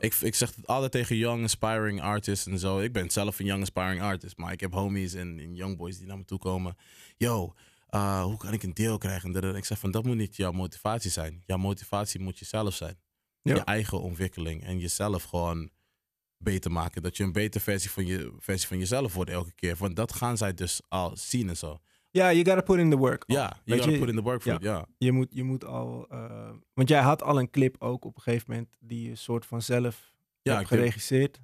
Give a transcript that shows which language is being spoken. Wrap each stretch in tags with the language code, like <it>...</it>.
<nl>Ik zeg het altijd tegen</nl> <en>young aspiring artists</en> <nl>en zo. Ik ben zelf een</nl> <en>young aspiring artist,</en> <nl>maar ik heb homies en</nl> <en>young boys</en> <nl>die naar me toe komen. Yo, hoe kan ik een deal krijgen? En ik zeg van, dat moet niet jouw motivatie zijn. Jouw motivatie moet jezelf zijn. Ja. Je eigen ontwikkeling en jezelf gewoon beter maken. Dat je een betere versie van jezelf wordt elke keer. Want dat gaan zij dus al zien en zo.</nl> <en>Ja, yeah, you gotta put in the work. Ja, yeah, you gotta put in the work for it, ja. Yeah.</en> <nl>Je moet al... want jij had al een clip ook op een gegeven moment... die je soort van zelf hebt geregisseerd.</nl>